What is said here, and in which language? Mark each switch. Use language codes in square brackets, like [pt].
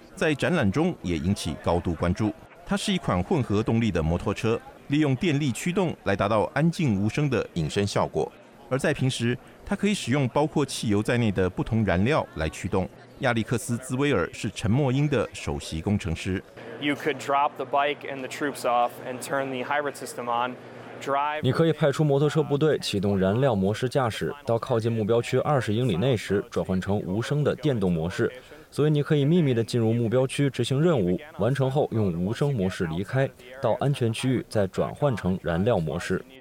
[zh] 在展览中也引起高度关注。它是一款混合动力的摩托车，利用电力驱动来达到安静无声的隐身效果。而在平时，它可以使用包括汽油在内的不同燃料来驱动。亚历克斯·兹威尔是沉默鹰的首席工程师。 [en] You could drop the bike and the troops off and turn the hybrid system on. [zh] 你可以派出摩托车部队启动燃料模式驾驶，到靠近目标区20英里内时转换成无声的电动模式，所以你可以秘密地进入目标区执行任务，完成后用无声模式离开，到安全区域再转换成燃料模式。